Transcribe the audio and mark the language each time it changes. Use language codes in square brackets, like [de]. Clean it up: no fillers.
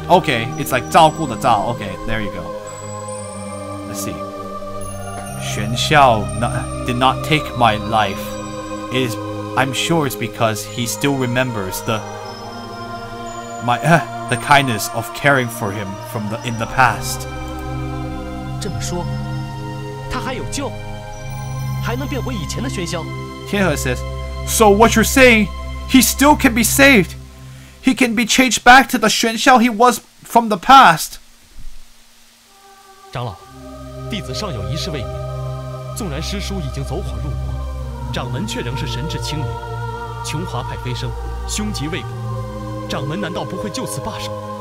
[en] Okay, it's like [zh] 照顾的照. [en] Okay, there you go. Let's see. 玄霄 did not take my life. I'm sure it's because he still remembers the kindness of caring for him in the past. [zh] 这么说，他还有救，还能变回以前的玄霄。 [en] 天和 says, So what you're saying, he still can be saved. He can be changed back to the 玄霄 he was from the past. [zh] 长老，弟子尚有一事未明，纵然师叔已经走火入魔，掌门却仍是神智清明，琼华派飞升，凶吉未卜。掌门难道不会就此罢手？